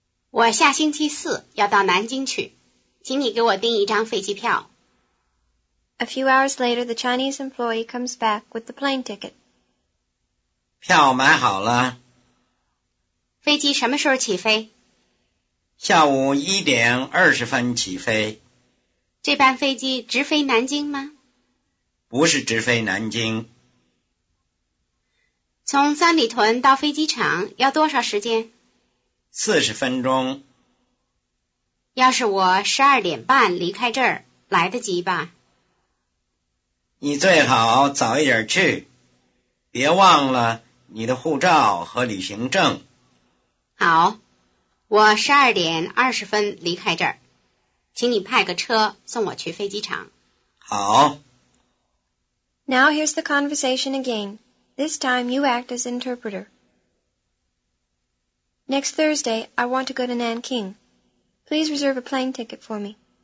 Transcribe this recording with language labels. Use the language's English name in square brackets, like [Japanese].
[Chinese] 我下星期四要到南京去，请你给我订一张飞机票。 [English] A few hours later, the Chinese employee comes back with the plane ticket. [Chinese] 票买好了。飞机什么时候起飞？下午1:20起飞。这班飞机直飞南京吗？不是直飞南京。从三里屯到飞机场要多少时间？ 40分钟。要是我12:30离开这儿，来得及吧？你最好早一点去，别忘了你的护照和旅行证。好，我12:20离开这儿，请你派个车送我去飞机场。好。 [English] Now here's the conversation again. This time you act as interpreter. Next Thursday, I want to go to Nanking. Please reserve a plane ticket for me.